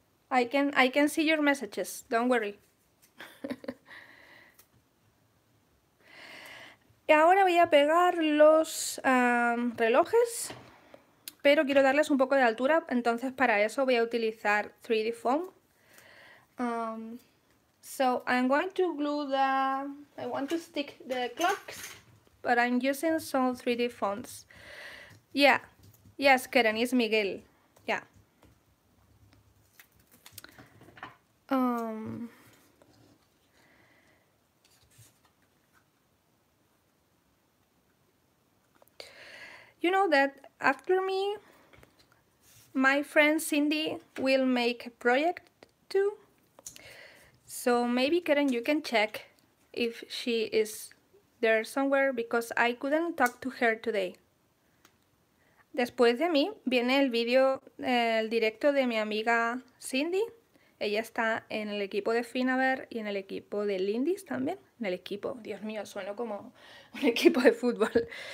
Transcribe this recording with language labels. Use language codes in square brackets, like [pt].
[en] I can see your messages. Don't worry. [es] Y ahora voy a pegar los relojes. Pero quiero darles un poco de altura, entonces para eso voy a utilizar 3D foam. [en] So I'm going to glue I want to stick the clocks, but I'm using some 3D foams. Yeah, yes, Karen, it's Miguel. Yeah. You know that after me, my friend Cindy will make a project too. So maybe Karen, you can check if she is there somewhere because I couldn't talk to her today. [es] Después de mí viene el video, el directo de mi amiga Cindy. Ella está en el equipo de Finaver y en el equipo de Lindy también. En el equipo, Dios mío, sueno como un equipo de fútbol.